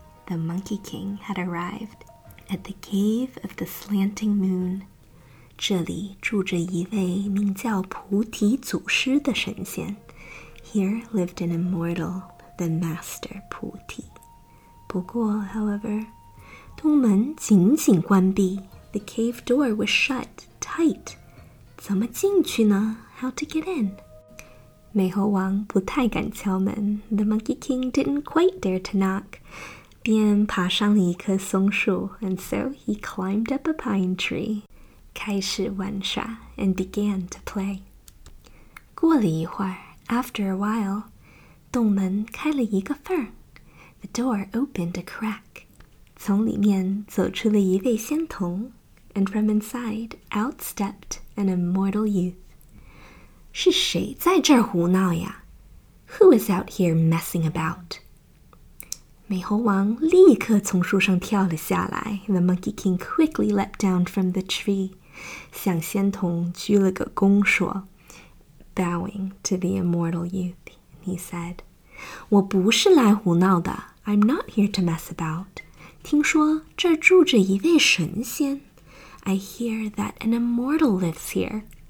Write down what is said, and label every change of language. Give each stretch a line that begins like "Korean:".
English: The Monkey King had arrived at the Cave of the Slanting Moon.
Chinese: 这里住着一位名叫菩提祖师的神仙。
English: Here lived an immortal, the Master 菩提。
Chinese: 不过
English: however,
Chinese: 洞门紧紧关闭。
English: The cave door was shut tight.
Chinese: 怎么进去呢？
English: How to get in?
Chinese: 美猴王不太敢敲门。
English: The Monkey King didn't quite dare to knock.
Chinese: 便爬上了一棵松树
English: and so he climbed up a pine tree,
Chinese: 开始玩耍
English: and began to play.
Chinese: 过了一会儿
English: after a while,
Chinese: 洞门开了一个缝
English: the door opened a crack.
Chinese: 从里面走出了一位仙童
English: and from inside, out stepped an immortal youth.
Chinese: 是谁在这儿胡闹呀?
English: Who is out here messing about?
Chinese: 美猴王立刻从树上跳了下来。
English: The Monkey King quickly leapt down from the tree,
Chinese: 向仙童鞠了个躬说,
English: bowing to the immortal youth, he said,
Chinese: 我不是来胡闹的,
English: I'm not here to mess about.
Chinese: 听说这住着一位神仙,
English: I hear that an immortal lives here.